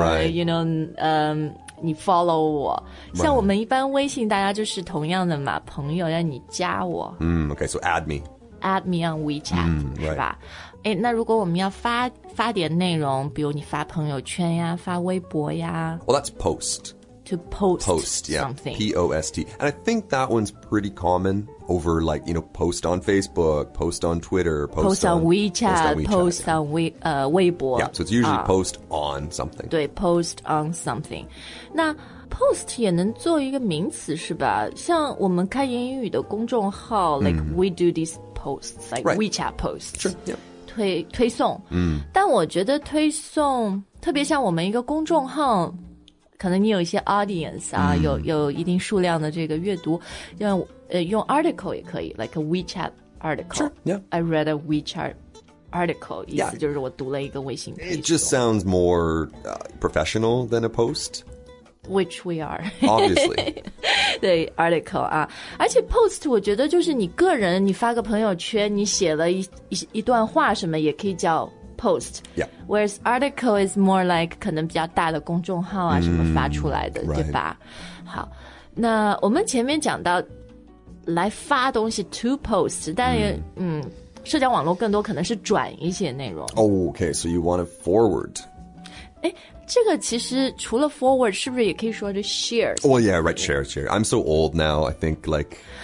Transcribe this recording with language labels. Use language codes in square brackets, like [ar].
[en] right. [zh] you know,你 follow 我，像我们一般微信大家就是同样的嘛，朋友要你加我。 [en] Okay, so add me. Add me on WeChat, right. [zh] 是吧？哎，那如果我们要发点内容，比如你发朋友圈呀，发微博呀。 [en] Well, that's post. To post, post yeah. something. P-O-S-T. And I think that one's pretty common over like, you know, post on Facebook, post on Twitter, post on WeChat, post on Weibo. Yeah, so it's usually post on something. 对 post on something. [zh] 那 post 也能做一个名词是吧？像我们开英语的公众号 [en] like we do these posts, like right. WeChat posts. Sure, yeah. [zh] 推送但我觉得推送特别像我们一个公众号可能你有一些 audience 啊、有一定数量的这个阅读用 article 也可以 [en] like a WeChat article sure, yeah. I read a WeChat article [zh] 意思就是我读了一个微信 [en] It just sounds more professional than a post Which we are Obviously [zh] 对 article 啊而且 post 我觉得就是你个人你发个朋友圈你写了 一段话什么也可以叫 post [en] Yeah Whereas article is more like [zh] 可能比较大的公众号啊什么发出来的、 [en] right. [zh] 对吧好那我们前面讲到来发东西 to post 但也、社交网络更多可能是转一些内容 [en] Oh okay so you want to forward [zh] 这个其实除了 forward 是不是也可以说就 share [en] Oh yeah right share I'm so old now I think like